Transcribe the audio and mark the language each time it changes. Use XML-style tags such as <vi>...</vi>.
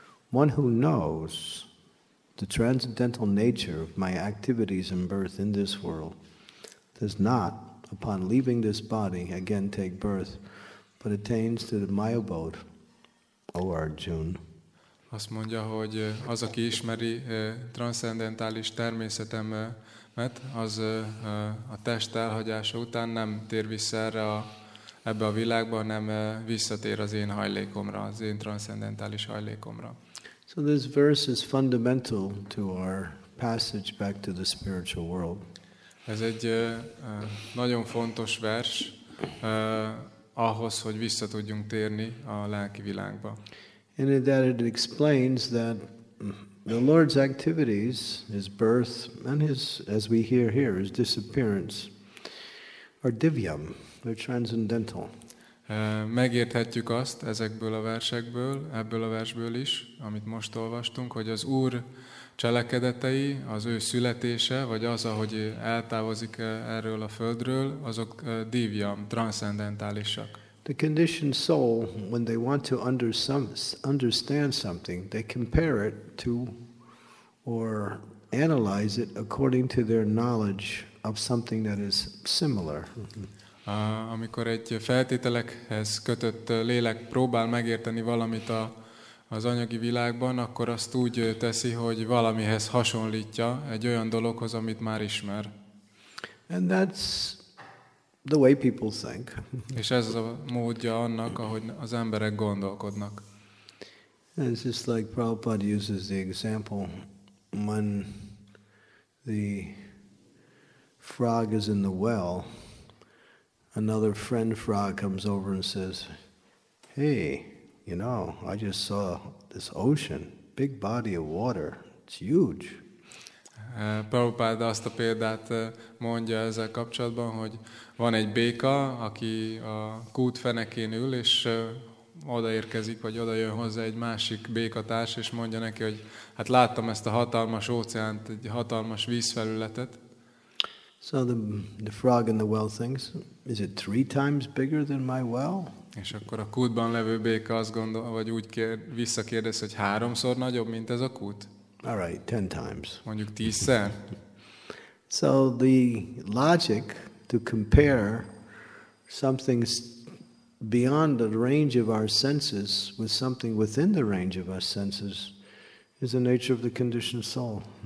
<en>One who knows the transcendental nature of my activities and birth in this world does not upon leaving this body, again take birth, but attains to the my abode, O Arjuna.</en> <hu>Azt mondja, hogy az, aki ismeri transzcendentális természetemet, az a test elhagyása után nem tér vissza erre ebbe a világba, hanem visszatér az én hajlékomra, az én transzcendentális hajlékomra.</hu> <en>So this verse is fundamental to our passage back to the spiritual world.</en> <hu>Ez egy nagyon fontos vers ahhoz, hogy vissza tudjunk térni a lelki világba.</hu> <en>And that it explains that the Lord's activities, his birth and his, as we hear here, his disappearance are divyam, they're transcendental.</en> <hu>Megérthetjük azt ezekből a versekből, ebből a versből is, amit most olvastunk, hogy az Úr cselekedetei, az ő születése, vagy az, ahogy eltávozik erről a földről, azok divyam, transzcendentálisak.</hu> <en>The conditioned soul, when they want to understand something, they compare it to or analyze it according to their knowledge of something that is similar.</en> <hu>Amikor egy feltételekhez kötött lélek próbál megérteni valamit az anyagi világban, akkor azt úgy teszi, hogy valamihez hasonlítja egy olyan dologhoz, amit már ismer.</hu> <en>And that's the way people think.</en> <hu>És ez a módja annak, ahogy az emberek gondolkodnak.</hu> <en>And it's just like Prabhupada uses the example when the frog is in the well, another friend frog comes over and says, "Hey, you know, I just saw this ocean, big body of water, it's huge."</en> <hu>Prabhupáda azt a példát mondja ezzel kapcsolatban, hogy van egy béka, aki a kút fenekén ül, és odaérkezik, vagy odajön hozzá egy másik békatárs, és mondja neki, hogy hát láttam ezt a hatalmas óceánt, egy hatalmas vízfelületet.</hu> <en>So the frog in the well thinks, is it three times bigger than my well?</en> <hu>És akkor a kútban levő béka azt gondol, vagy úgy visszakérdez, hogy háromszor nagyobb, mint ez a kút?</hu> <en>All right, 10 times.</en> <hu>Mondjuk 10-szer.</hu> <en>So the logic to compare something beyond the range of our senses with something within the range of our senses is the nature of the conditioned soul.</en>